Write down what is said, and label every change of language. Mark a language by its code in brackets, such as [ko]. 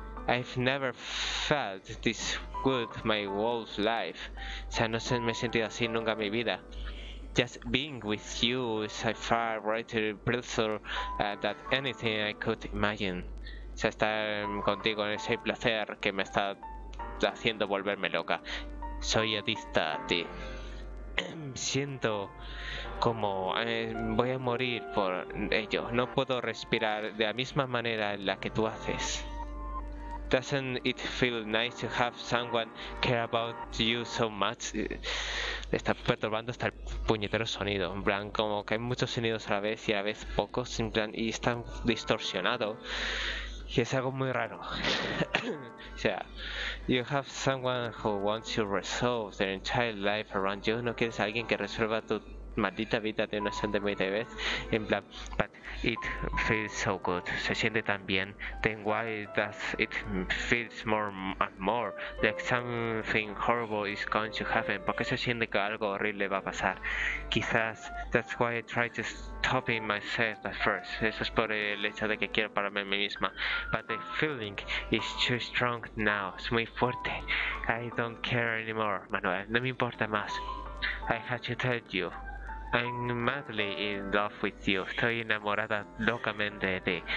[en] I've never felt this good my whole life. [es] O sea, no sé, me he sentido así nunca en mi vida. [en] Just being with you is a far greater pleasure than anything I could imagine. [es] O sea, estar contigo en ese placer que me está haciendo volverme loca. Soy adicta a ti. Siento como voy a morir por ello. No puedo respirar de la misma manera en la que tú haces. [en] Doesn't it feel nice to have someone care about you so much? [es] Está perturbando hasta el puñetero sonido. En plan, como que hay muchos sonidos a la vez y a la vez pocos. En plan, y está distorsionado. Y es algo muy raro. [en] O sea, you have someone who wants to resolve their entire life around you. [es] ¿No quieres a alguien que resuelva tu maldita vida de una centenaria vez? En plan, [en] but it feels so good. [es] Se siente tan bien. [en] Then why does it feel more and more like something horrible is going to happen? [es] ¿Por qué se siente que algo horrible va a pasar? [en] Quizás that's why I try to stop myself at first. [es] Eso es por el hecho de que quiero pararme a mí misma. [en] But the feeling is too strong now. [es] Es muy fuerte. [en] I don't care anymore, Manuel. [es] No me importa más. [en] I have to tell you. I'm madly in love with you. [es] Estoy enamorada locamente de ti.